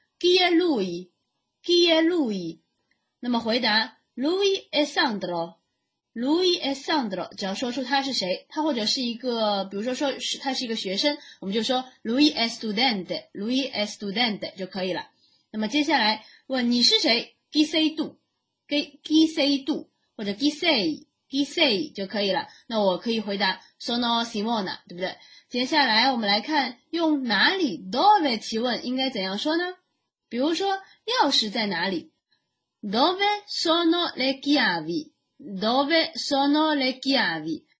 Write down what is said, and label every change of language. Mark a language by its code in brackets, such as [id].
[it] chi è lui， chi è lui。 [zh] 那么回答 [it] Lui è Sandro， Lui è Sandro， [zh] 只要说出他是谁，他或者是一个，比如说说是他是一个学生，我们就说 [it] Lui è studente， Lui è studente [zh] 就可以了。那么接下来问你是谁， [it] Chi sei tu， Chi sei tu， [zh] 或者 Chi sei， Chi sei 就可以了。那我可以回答 [it] Sono Simona， [zh] 对不对？接下来我们来看用哪里 dove 提问应该怎样说呢，比如说钥匙在哪里， [it] Dove sono le chiavi? Dove sono le chiavi?